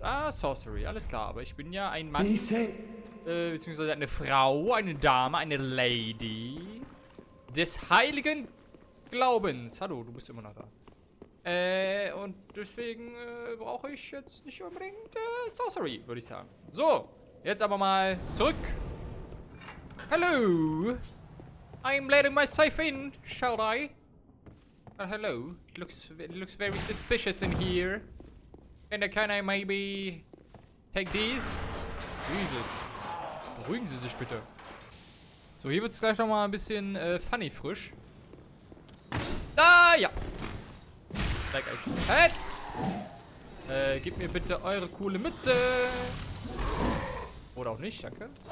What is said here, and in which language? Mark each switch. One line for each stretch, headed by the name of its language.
German: Ah, Sorcery, alles klar, aber ich bin ja ein Mann. Beziehungsweise eine Frau, eine Dame, eine Lady des heiligen Glaubens. Hallo, du bist immer noch da. Und deswegen brauche ich jetzt nicht unbedingt Sorcery, würde ich sagen. So, jetzt aber mal zurück. Hallo.
English: I'm letting myself in, shall I? Hello. It looks very suspicious in here. And can I maybe take these? Jesus.
German: Beruhigen Sie sich bitte. So, hier wird es gleich nochmal ein bisschen funny frisch. Ah, ja.
English: Like I said.
German: Gib mir bitte eure coole Mütze. Oder auch nicht, danke.